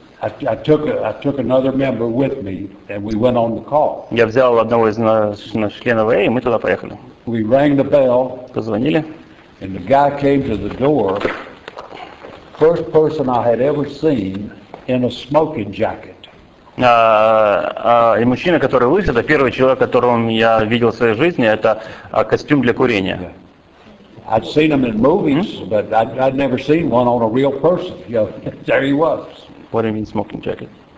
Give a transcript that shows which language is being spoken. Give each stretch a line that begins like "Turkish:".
English: I took another member with me, and we went on the call.
Russian: Я взял одного из наших членов, и мы туда поехали.
English: We rang the bell.
Russian: Позвонили.
English: And the guy came to the door. First person I had ever seen in a smoking jacket.
Russian: И мужчина, который вышел, это первый человек, которого я видел в своей жизни, это костюм для курения.
English: Yeah. I'd seen him in movies, mm-hmm. but I'd never seen one on a real person. You know, there he was. What do you mean, smoking jacket?